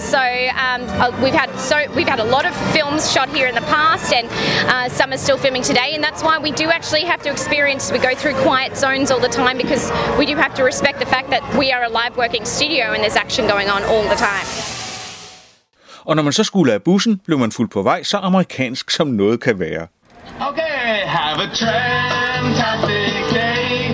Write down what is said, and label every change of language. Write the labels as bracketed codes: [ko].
[en] So we've had a lot of films shot here in the past, and some are still filming today. And that's why we do actually have to experience. We go through quiet zones all the time because we do have to respect the fact that we are a live working studio, and there's action going on all the time. [da] Og når man så skulle af bussen, blev man fuldt på vej, så amerikansk som noget kan være. [en] Okay, have a fantastic day.